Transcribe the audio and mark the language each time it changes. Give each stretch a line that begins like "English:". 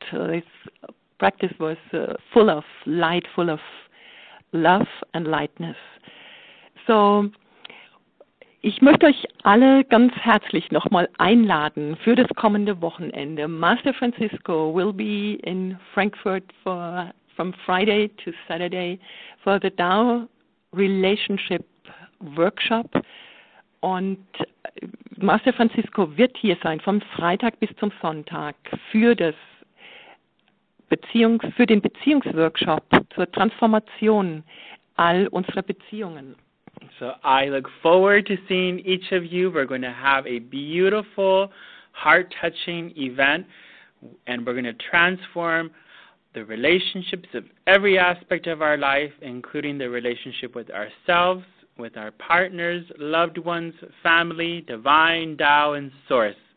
English: This practice was full of light, full of love and lightness.
German: So, ich möchte euch alle ganz herzlich nochmal einladen für das kommende Wochenende.
English: Master Francisco will be in Frankfurt from Friday to Saturday for the Tao Relationship Workshop.
German: Und Master Francisco wird hier sein vom Freitag bis zum Sonntag für den Beziehungsworkshop zur Transformation all unserer Beziehungen.
English: So I look forward to seeing each of you. We're going to have a beautiful, heart-touching event, and we're going to transform the relationships of every aspect of our life, including the relationship with ourselves, with our partners, loved ones, family, divine, Tao, and source.